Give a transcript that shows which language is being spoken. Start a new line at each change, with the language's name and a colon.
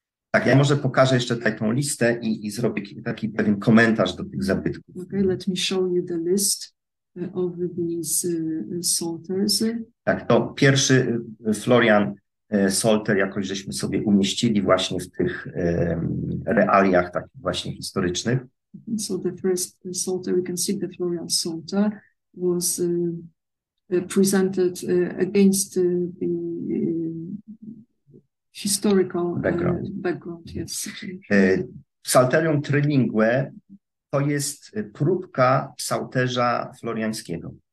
Polish: Tak, ja może pokażę jeszcze tutaj tą listę i zrobię taki pewien komentarz do tych zabytków.
English: Okay, let me show you the list of these psalters.
Polish: Tak, to pierwszy Florian Psalter jakoś żeśmy sobie umieścili właśnie w tych realiach takich właśnie historycznych.
English: So the first Psalter, we can see the Florian Psalter was presented against the historical background. Yes.
Polish: Psalterium Trilingue to jest próbka psalterza floriańskiego.